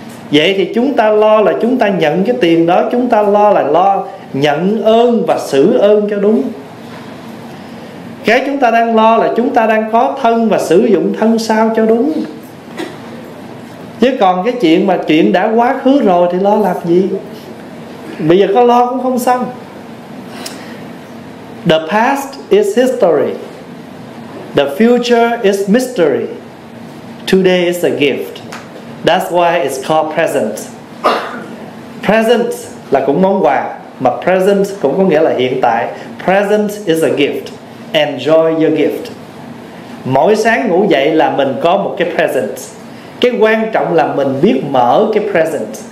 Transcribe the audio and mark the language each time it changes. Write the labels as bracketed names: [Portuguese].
[Vietnamese] Vậy thì chúng ta lo là chúng ta nhận cái tiền đó, chúng ta lo là lo nhận ơn và xử ơn cho đúng. Cái chúng ta đang lo là chúng ta đang có thân và sử dụng thân sao cho đúng. Chứ còn cái chuyện mà chuyện đã quá khứ rồi thì lo làm gì? Bây giờ có lo cũng không xong. [English] The past is history, the future is mystery, today is a gift. That's why it's called present. [Vietnamese] Present là cũng món quà, mà present cũng có nghĩa là hiện tại. [English] Present is a gift. Enjoy your gift. [Vietnamese] Mỗi sáng ngủ dậy là mình có một cái present. Cái quan trọng là mình biết mở cái present.